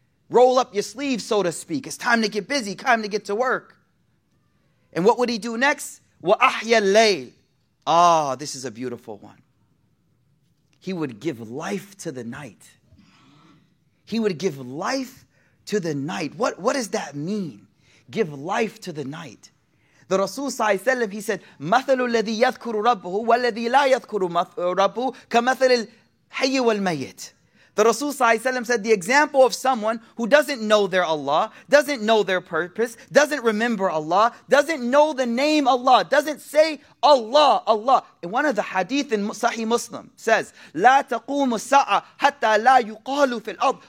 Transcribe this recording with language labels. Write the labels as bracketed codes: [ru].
[en] Roll up your sleeves, so to speak. It's time to get busy. Time to get to work. And what would he do next? [ar] وَأَحْيَ اللَّيْلِ. [en] Ah, this is a beautiful one. He would give life to the night. He would give life to the night. What does that mean? Give life to the night. The Rasul ﷺ, he said, [ar] مَثَلُ الَّذِي يَذْكُرُ رَبُّهُ وَالَّذِي لَا يَذْكُرُ رَبُّهُ كَمَثَلِ الْحَيِّ وَالْمَيِّتِ. [en] The Rasul ﷺ said the example of someone who doesn't know their Allah, doesn't know their purpose, doesn't remember Allah, doesn't know the name Allah, doesn't say Allah, Allah. And one of the hadith in Sahih Muslim says, [ar] لا تقوم الساعة حتى لا يقال في الأرض.